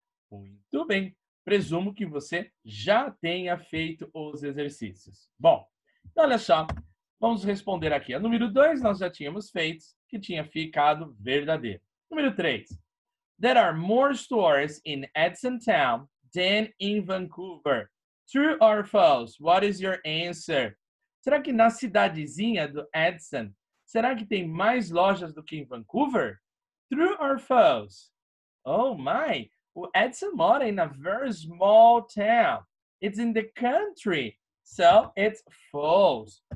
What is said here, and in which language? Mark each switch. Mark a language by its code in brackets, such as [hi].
[pt] Muito bem. Presumo que você já tenha feito os exercícios. Bom, então olha só. Vamos responder aqui. A número 2 nós já tínhamos feito, que tinha ficado verdadeiro. Número 3. [en] There are more stores in Edsontown than in Vancouver. True or false? What is your answer? [pt] Será que na cidadezinha do Edson, será que tem mais lojas do que em Vancouver? [en] True or false? Oh my! [pt] O Edson mora [en] in a very small town. It's in the country. So, it's false.